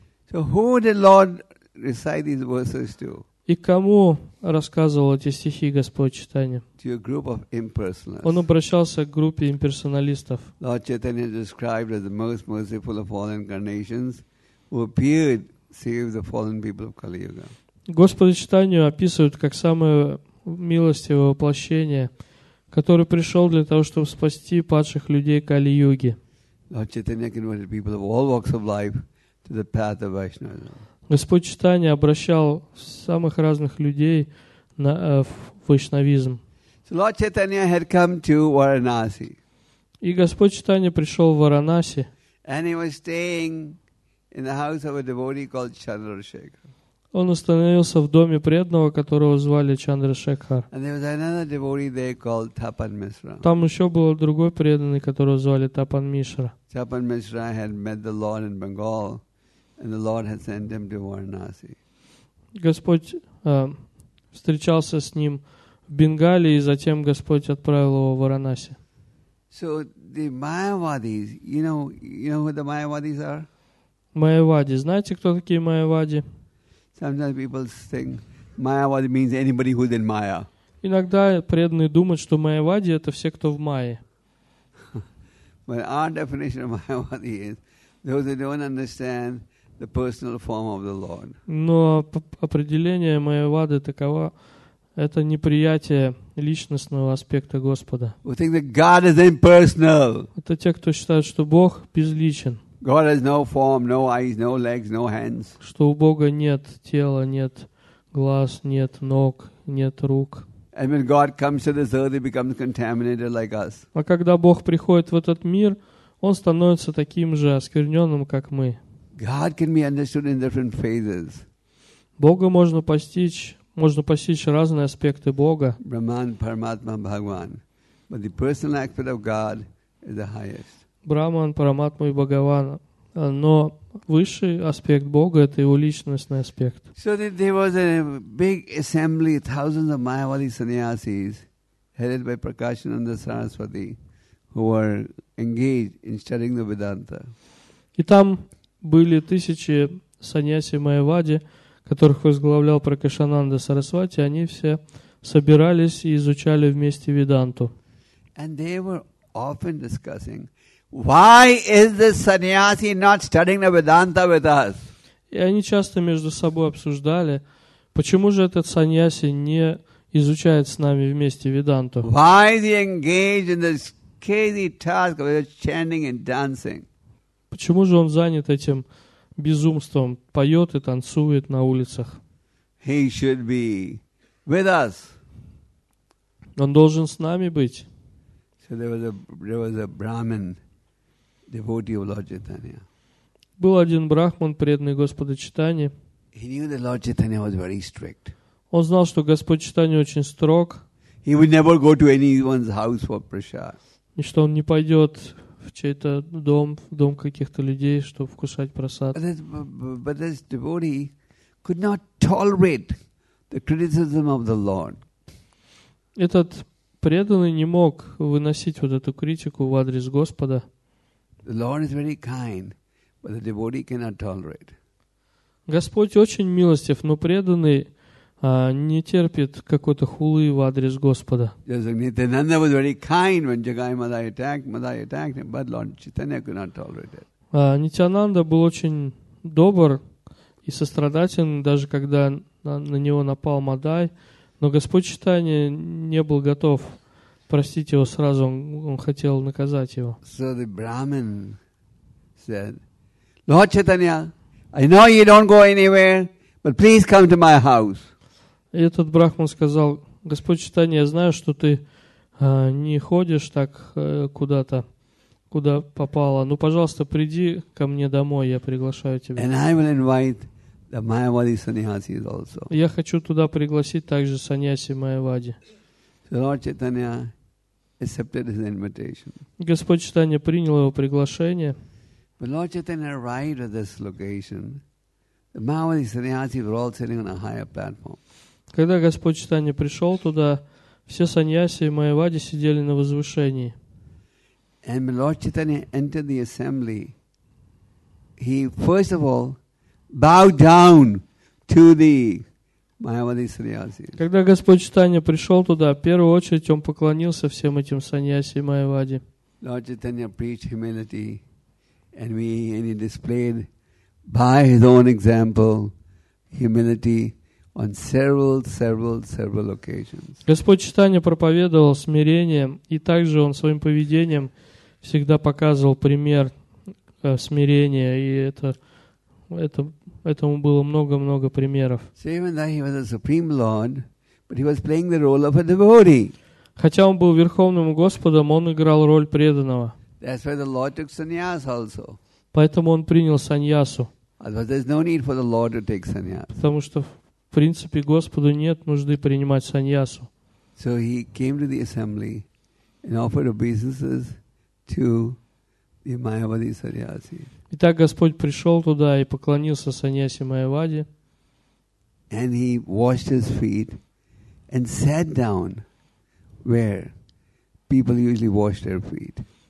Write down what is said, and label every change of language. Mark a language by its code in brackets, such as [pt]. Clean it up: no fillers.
[en] So who did Lord recite these verses to? [ru] И кому рассказывал эти стихи Господь Чайтанья? Он обращался к группе имперсоналистов. [en] Lord Chaitanya described as the most merciful of all incarnations who appeared to save the fallen people of Kali Yuga. [ru] Господа Чайтанью описывают как самое милостивое воплощение, которое пришел для того, чтобы спасти падших людей Кали Юги. [en] Lord Chaitanya converted people of all walks of life to the path of Vaishnavism. [ru] Господь Чайтанья обращал самых разных людей в вайшнавизм. [en] So Lord Chaitanya had come to Varanasi. [ru] И Господь Чайтанья пришел в Варанаси. [en] And he was staying in the house of a devotee called Chandrasekhar. [ru] Он остановился в доме преданного, которого звали Чандрашекхар. [en] And there was another devotee there called Tapan Mishra. [ru] Там еще был другой преданный, которого звали Tapan Mishra. [en] Tapan Mishra had met the Lord in Bengal, and the Lord had sent him to Varanasi. [ru] Господь встречался с ним в Бенгалии, и затем Господь отправил его в Варанаси. [en] So the Mayavadis, you know who the Mayavadis are? [ru] Mayavadi. Знаете, кто такие Mayavadi? [en] Sometimes people think Mayavadi means anybody who's in Maya. [ru] Иногда преданные думают, что Mayavadi — это все, кто в Майе. [en] But our definition of Mayavadi is those who don't understand the personal form of the Lord. [ru] Но определение Mayavadi таково: это неприятие личностного аспекта Господа. [en] We think that God is impersonal. [ru] Это те, кто считает, что Бог безличен. [en] God has no form, no eyes, no legs, no hands. [ru] Что у Бога нет тела, нет глаз, нет ног, нет рук. [en] And when God comes to this earth, he becomes contaminated like us. [ru] А когда Бог приходит в этот мир, он становится таким же оскверненным, как мы. [en] God can be understood in different phases. [ru] Бога можно постичь. Можно постичь разные аспекты Бога. [en] Brahman, Paramatma, Bhagavan. But the personal aspect of God is the highest. [ru] Brahman, Paramatma и Bhagavan. Но высший аспект Бога — это его личностный аспект. [en] So there was a big assembly, thousands of Mayavadi sannyasis, headed by Prakashananda Saraswati, who were engaged in studying the Vedanta. [ru] И там были тысячи саньяси Майавади, которых возглавлял Пракашананда Сарасвати, они все собирались и изучали вместе Веданту. [en] And they were often discussing, why is this sannyasi not studying the Vedanta with us? [ru] И они часто между собой обсуждали, почему же этот саньяси не изучает с нами вместе Веданту? [en] Why is he engaged in this crazy task of chanting and dancing? [ru] Почему же он занят этим безумством, поет и танцует на улицах? [en] He should be with us. [ru] Он должен с нами быть. [en] So there was a Brahmin, devotee of Lord Chaitanya. [ru] Был один брахман, преданный Господа Чайтаньи. [en] He knew that Lord Chaitanya was very strict. [ru] Он знал, что Господь Чайтанья очень строг. [en] He would never go to anyone's house for prasad. [ru] И что он не пойдет в чей-то дом, в дом каких-то людей, чтобы вкушать просад. [en] But this devotee could not tolerate the criticism of the Lord. [ru] Этот преданный не мог выносить вот эту критику в адрес Господа. [en] The Lord is very kind, but the devotee cannot tolerate. [ru] Господь очень милостив, но преданный не терпит какой-то хулы в адрес Господа. [en] Nityananda was very kind when Jagai Madai attacked him, but Lord Chaitanya could not tolerate it. [ru] Nityananda был очень добр и сострадателен, даже когда на него напал Мадай, но Господь Чайтанья не был готов простить его сразу, он хотел наказать его. [en] So the Brahmin said, Lord Chaitanya, I know you don't go anywhere, but please come to my house. [ru] И этот брахман сказал: Господь Чайтанья, я знаю, что ты не ходишь так куда-то, куда попало. Ну, пожалуйста, приди ко мне домой, я приглашаю тебя. [en] And I will invite the Mayavadi sannyasis also. [ru] Я хочу туда пригласить также саньяси Майавади. [en] So Lord Chaitanya accepted his invitation. [ru] Господь Чайтанья принял его приглашение. [en] But Lord Chaitanya arrived at this location, the Mayavadi sannyasis were all sitting on a higher platform. [ru] Когда Господь Чайтанья пришел туда, все саньяси и Майавади сидели на возвышении. [en] And when Lord Chaitanya entered the assembly, he first of all bowed down to the Mayavadi sannyasis. [ru] Когда Господь Чайтанья пришел туда, в первую очередь он поклонился всем этим саньяси и Майавади. [en] Lord Chaitanya preached humility, and he displayed by his own example humility on several occasions. [ru] Господь Чайтанья проповедовал смирение, и также он своим поведением всегда показывал пример смирения, и этому было много примеров. [en] So even though he was a supreme lord, but he was playing the role of a devotee. [ru] Хотя он был верховным господом, он играл роль преданного. [en] That's why the Lord took sannyas also. [ru] Поэтому он принял саньясу. Потому что, в принципе, Господу нет нужды принимать саньясу. [en] So he came to the assembly and offered obeisances to the Mayavadi sannyasi. [ru] Итак, Господь пришел туда и поклонился саньясе Майяваде. [en] And he washed his feet and sat down where people usually wash their feet.